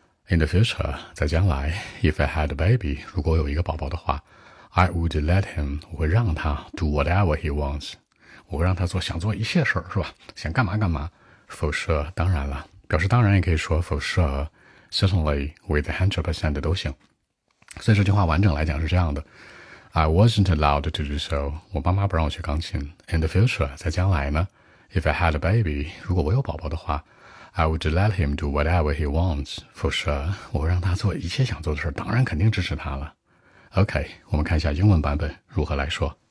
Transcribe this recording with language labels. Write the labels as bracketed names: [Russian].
[English] In the future, [Chinese] 在将来 [English] if I had a baby, [Chinese] 如果有一个宝宝的话， [English] I would let him, [Chinese] 我会让他 [English] do whatever he wants, [Chinese] 我会让他做想做一切事儿，是吧？想干嘛干嘛。 [English] For sure, [Chinese] 当然了。表示当然也可以说 [English] for sure, certainly, with 100% [Chinese] 都行。所以这句话完整来讲是这样的。 [English] I wasn't allowed to do so. [Chinese] 我爸妈不让我学钢琴。 [English] In the future, [Chinese] 在将来呢 [English] ?If I had a baby, [Chinese] 如果我有宝宝的话 [English] ,I would let him do whatever he wants. For sure, [Chinese] 我会让他做一切想做的事儿，当然肯定支持他了。 OK, 我们看一下英文版本如何来说。